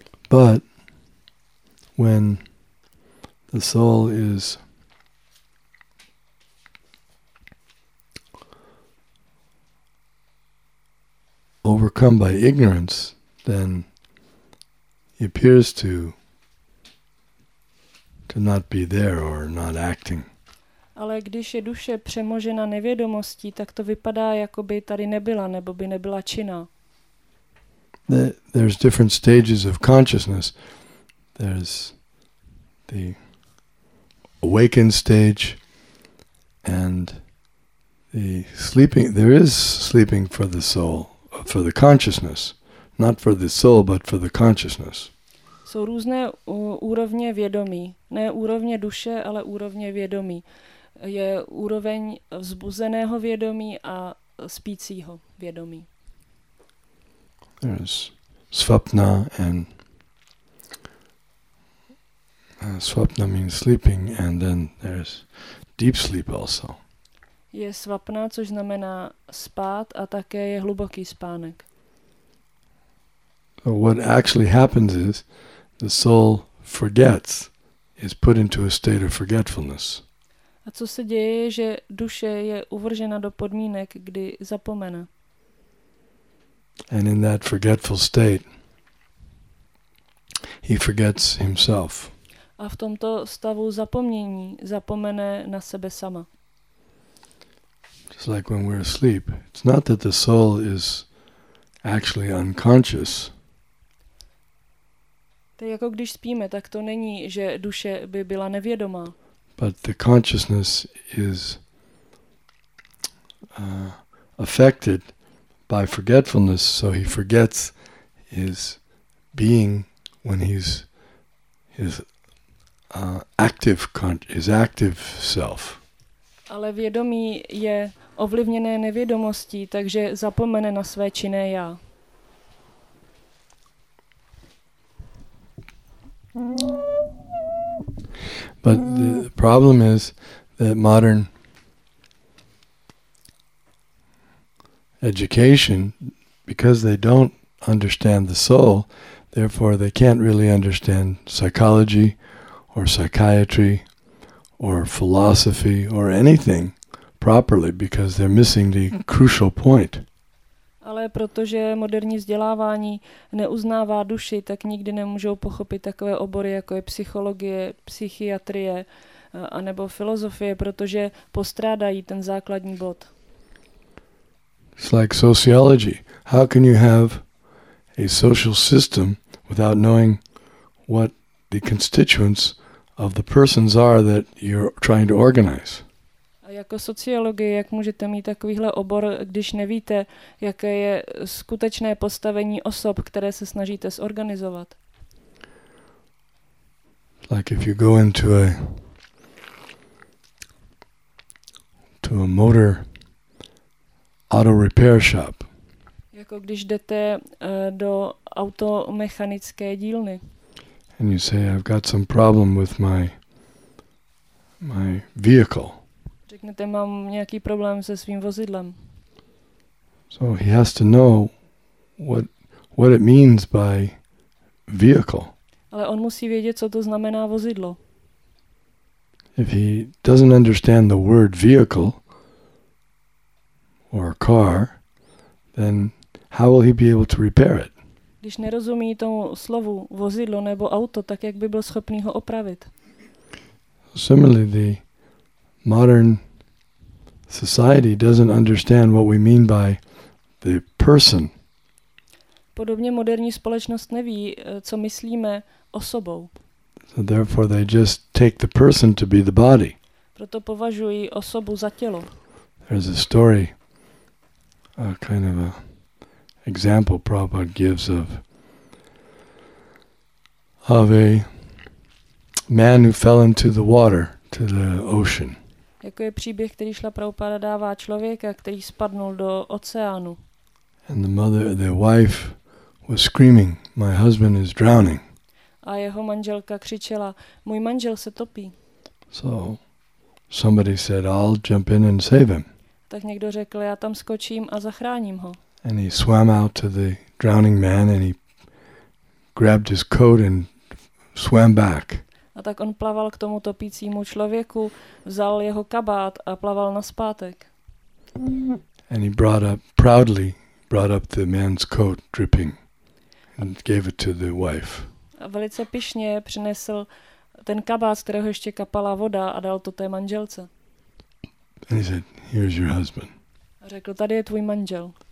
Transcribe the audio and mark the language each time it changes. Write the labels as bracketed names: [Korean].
[English] But when the soul is overcome by ignorance, then he appears to not be there or not acting. [Czech] Ale když je duše přemožena nevědomostí, tak to vypadá, jako by tady nebyla, nebo by nebyla činná. [English] There's different stages of consciousness. There's the awakened stage and the sleeping. There is sleeping for the soul. For the consciousness, not for the soul, but for the consciousness. [Czech] Jsou různé úrovně vědomí. Ne úrovně duše, ale úrovně vědomí. Je úroveň vzbuzeného vědomí a spícího vědomí. [English] There's svapna and svapna means sleeping, and then there's deep sleep also. [Czech] Je svapná, což znamená spát, a také je hluboký spánek. [English] So what actually happens is the soul forgets, is put into a state of forgetfulness. [Czech] A co se děje, že duše je uvržena do podmínek, kdy zapomene. [English] And in that forgetful state he forgets himself. [Czech] A v tomto stavu zapomnění zapomene na sebe sama. [English] It's like when we're asleep. It's not that the soul is actually unconscious. [Czech] To jako když spíme, tak to není, že duše by byla nevědomá. [English] But the consciousness is affected by forgetfulness, so he forgets his being when he's his active self. [Czech] Ale vědomí je ovlivněné nevědomostí, takže zapomene na své činné já. [English] But the problem is that modern education, because they don't understand the soul, therefore they can't really understand psychology or psychiatry or philosophy or anything properly, because they're missing the crucial point. [Czech] Ale protože moderní vzdělávání neuznává duši, tak nikdy nemůžou pochopit takové obory, jako je psychologie, psychiatrie anebo filozofie, protože postrádají ten základní bod. [English] It's like sociology. How can you have a social system without knowing what the constituents of the persons are that you're trying to organize? [Czech] A jako sociologie, jak můžete mít takovýhle obor, když nevíte, jaké je skutečné postavení osob, které se snažíte zorganizovat? [English] Like if you go into a motor auto repair shop. [Czech] Jako když jdete do automechanické dílny. [English] And you say, I've got some problem with my vehicle. [Czech] Řeknete, mám nějaký problém se svým vozidlem. [English] So he has to know what it means by vehicle. [Czech] Ale on musí vědět, co to znamená vozidlo. [English] If he doesn't understand the word vehicle or car, then how will he be able to repair it? [Czech] Když nerozumí tomu slovu vozidlo nebo auto, tak jak by byl schopný ho opravit? [English] Similarly, the modern society doesn't understand what we mean by the person. [Czech] Podobně moderní společnost neví, co myslíme osobou. [English] So therefore they just take the person to be the body. [Czech] Proto považují osobu za tělo. [English] There's a story, a kind of a example Prabhupada gives of a man who fell into the water, to the ocean. [Czech] Jako je příběh, který šla Prabhupada dává člověka, který spadnul do oceánu. [English] And the mother, the wife was screaming, my husband is drowning. [Czech] A jeho manželka křičela, můj manžel se topí. [English] So somebody said, I'll jump in and save him. [Czech] Tak někdo řekl, já tam skočím a zachráním ho. [English] And he swam out to the drowning man and he grabbed his coat and swam back. [Czech] A tak on plaval k tomu topícímu člověku, vzal jeho kabát a plaval nazpátek. [English] And he brought up, proudly brought up the man's coat dripping and gave it to the wife. [Czech] A velice pyšně přinesl ten kabát, z kterého ještě kapala voda, a dal to té manželce. [English] And he said, here's your husband. [Czech] Řekl, tady je tvůj manžel.